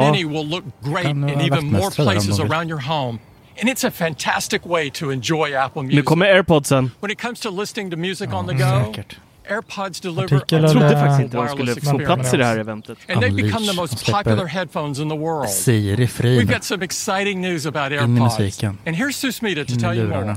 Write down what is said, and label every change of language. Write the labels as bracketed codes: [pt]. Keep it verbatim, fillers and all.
[en] Mini will look great in even more places around your home. And it's a fantastic way to enjoy Apple Music. [sv] Nu kommer AirPodsen. [en] When it comes to listening to music on the go, AirPods deliver [sv] jag trodde faktiskt inte de skulle få plats i det här eventet. [en] And they become the most popular headphones in the world. [sv] Siri fri. [en] We've got some exciting news about AirPods. And here's Susmita to tell you more.